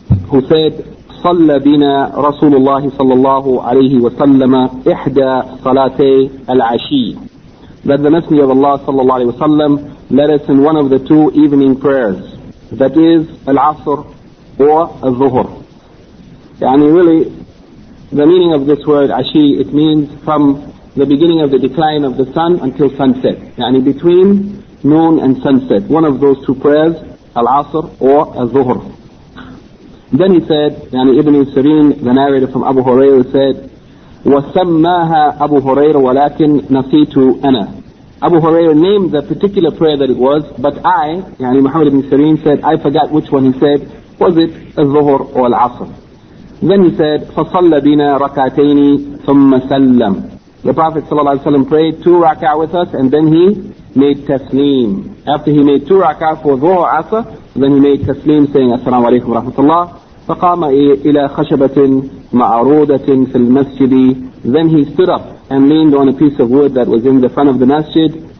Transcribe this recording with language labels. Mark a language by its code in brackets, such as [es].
[en] Who said, [ar] صلى بنا رسول الله صلى الله عليه وسلم إحدى صلاتي العشي. [en] That the Messenger of Allah صلى الله عليه وسلم led us in one of the two evening prayers. That is Al-Asr or Al-Zuhur. [ar] يعني [en] really, the meaning of this word عشي, it means from the beginning of the decline of the sun until sunset. [ar] يعني [en] between noon and sunset. One of those two prayers, Al-Asr or Al-Zuhur. Then he said, [ar] يعني [en] ابن سيرين, the narrator from Abu Hurairah said, [ar] وَسَمَّاهَا أَبُو هُرَيْرَ وَلَكِنْ نَسِيتُ أَنَا. [en] Abu Hurairah named the particular prayer that it was, but I, [ar] يعني [en] Muhammad ibn Sirin said, I forgot which one he said, was it الظهر or العصر. Then he said, [ar] فَصَلَّ بِنَا رَكَعْتَيْنِ ثُمَّ سَلَّمْ. [en] The Prophet ﷺ prayed two rak'ah with us, and then he made taslim. After he made two rak'ah for Dhuhr Asr, then he made taslim saying, As-salamu alaykum wa rahmatullah. [ar] فَقَامَ إِلَى خَشَبَةٍ مَعْرُودَةٍ فِي الْمَسْجِدِ. [en] Then he stood up and leaned on a piece of wood that was in the front of the masjid.